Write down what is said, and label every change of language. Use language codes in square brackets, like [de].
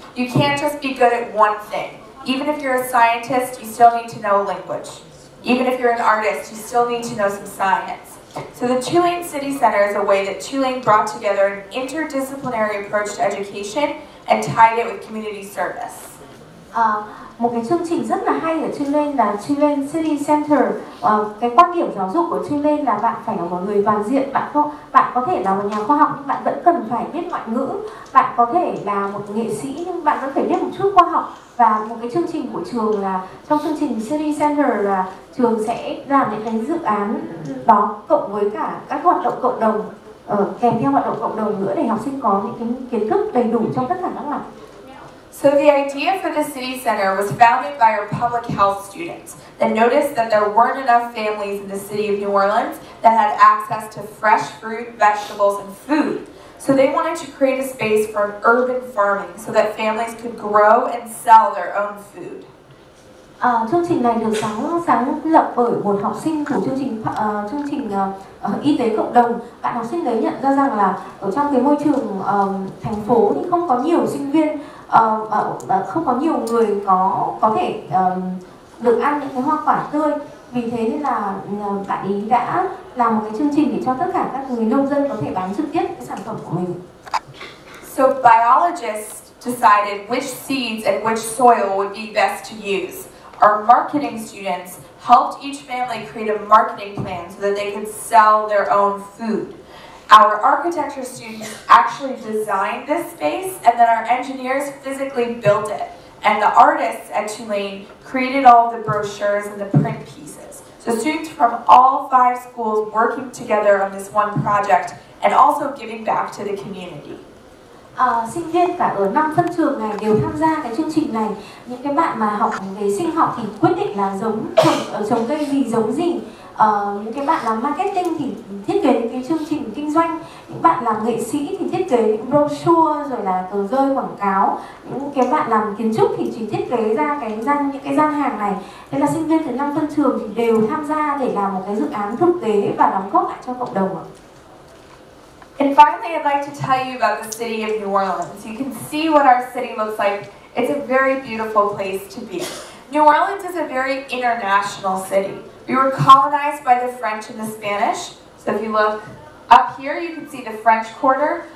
[en] You can't just be good at one thing. Even if you're a scientist, you still need to know language. Even if you're an artist, you still need to know some science. So the Tulane City Center is a way that Tulane brought together an interdisciplinary approach to education and tied it with community service. [vi] Một cái chương trình rất là hay ở Tulane là Tulane City Center. Cái quan điểm giáo dục của Tulane là bạn phải là một người toàn diện. Bạn có thể là một nhà khoa học nhưng bạn vẫn cần phải biết ngoại ngữ. Bạn có thể là một nghệ sĩ nhưng bạn vẫn phải biết một chút khoa học. Và một cái chương trình của trường là trong chương trình City Center là trường sẽ làm những cái dự án đó cộng với cả các hoạt động cộng đồng, kèm theo hoạt động cộng đồng nữa để học sinh có những cái kiến thức đầy đủ trong tất cả các mặt. [en] So the idea for the City Center was founded by our public health students that noticed that there weren't enough families in the city of New Orleans that had access to fresh fruit, vegetables, and food. So they wanted to create a space for urban farming so that families could grow and sell their own food. [vi] Chương trình này được sáng lập bởi một học sinh của chương trình y tế cộng đồng. Bạn học sinh đấy nhận ra rằng là ở trong cái môi trường thành phố thì không có nhiều sinh viên, không có nhiều người có thể được ăn những cái hoa quả tươi. Vì thế nên là bạn ý đã làm một cái chương trình để cho tất cả các người nông dân có thể bán trực tiếp cái sản phẩm của mình. [en] So biologists decided which seeds and which soil would be best to use. Our marketing students helped each family create a marketing plan so that they could sell their own food. Our architecture students actually designed this space, and then our engineers physically built it. And the artists at Tulane created all the brochures and the print pieces. So students from all 5 schools working together on this one project and also giving back to the community. [vi] Sinh viên cả ở 5 phân trường này đều tham gia cái chương trình này. Những cái bạn mà học về sinh học thì quyết định là trồng cây gì, giống gì. Những cái bạn làm marketing thì thiết kế những cái chương trình kinh doanh. Những bạn làm nghệ sĩ thì thiết kế những brochure, rồi là tờ rơi quảng cáo. Những cái bạn làm kiến trúc thì chỉ thiết kế ra những cái gian hàng này. Thế là sinh viên từ 5 phân trường thì đều tham gia để làm một cái dự án thực tế và đóng góp lại cho cộng đồng ạ. [en] And finally, I'd like to tell you about the city of New Orleans. You can see what our city looks like. It's a very beautiful place to be. New Orleans is a very international city. We were colonized by the French and the Spanish. So if you look up here, you can see the French Quarter.